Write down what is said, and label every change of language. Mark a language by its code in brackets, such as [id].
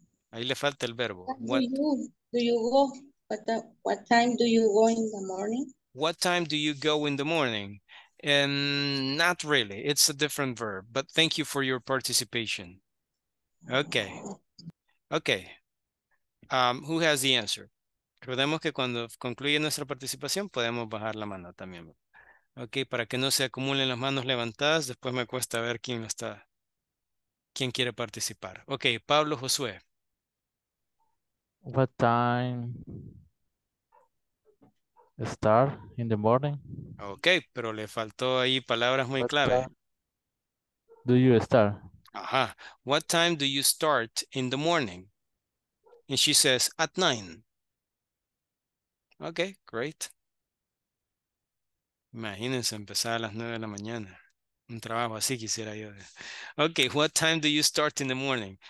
[es] Ahí le falta el verbo. [en] What time do you go? What time do you go in the morning? What time do you go in the morning? And not really, it's a different verb, but thank you for your participation. Okay. Who has the answer? [es] Recordemos que cuando concluye nuestra participación, podemos bajar la mano también. Okay, para que no se acumulen las manos levantadas, después me cuesta ver quién está, quién quiere participar. [en] Okay, Pablo Josué. What time? Start in the morning. [es] Okay, pero le faltó ahí palabras muy clave. [en] Do you start? Ajá. What time do you start in the morning? And she says, at 9. Okay, great. [es] Imagínense empezar a las 9 de la mañana. Un trabajo así quisiera yo. [en] Okay, what time do you start in the morning?